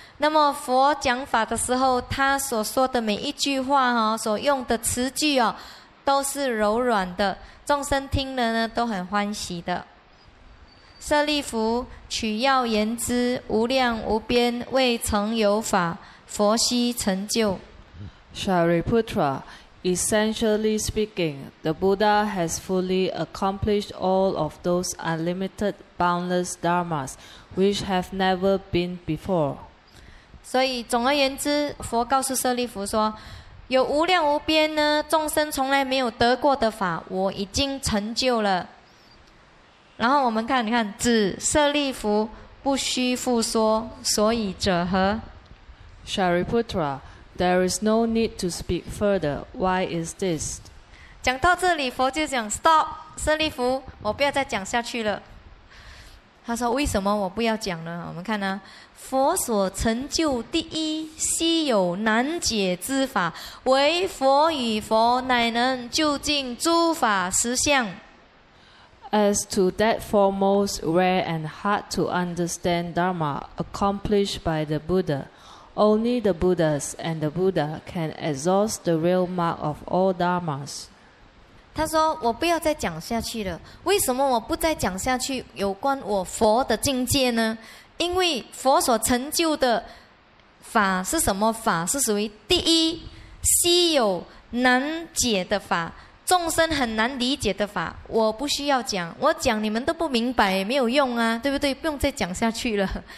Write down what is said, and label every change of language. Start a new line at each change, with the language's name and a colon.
Chinese: 那么佛讲法的时候，他所说的每一句话啊，所用的词句啊，都是柔软的，众生听了呢都很欢喜的。舍利弗，取要言之，无量无边未曾有法，佛悉成就。
English: Shariputra, essentially speaking, the Buddha has fully accomplished all of those unlimited, boundless dharmas which have never been before.
Chinese: 所以总而言之，佛告诉舍利弗说，有无量无边呢众生从来没有得过的法，我已经成就了。然后我们看，你看，子舍利弗不须复说，所以者何？
English: Shariputra, there is no need to speak further. Why is this?
Chinese: 讲到这里，佛就讲
English: stop,
Chinese: 舍利弗，我不要再讲下去了。他说，为什么我不要讲呢？我们看呢，佛所成就第一稀有难解之法，为佛与佛，乃能究竟诸法实相。
English: As to that foremost rare and hard to understand Dharma accomplished by the Buddha,Only the Buddhas and the Buddha can exhaust the real mark of all dharmas.
Chinese: 他说，我不要再讲下去了。为什么我不再讲下去有关我佛的境界呢？因为佛所成就的法是什么法？是属于第一稀有难解的法，众生很难理解的法，我不需要讲，我讲你们都不明白，没有用啊，对不对？不用再讲下去了。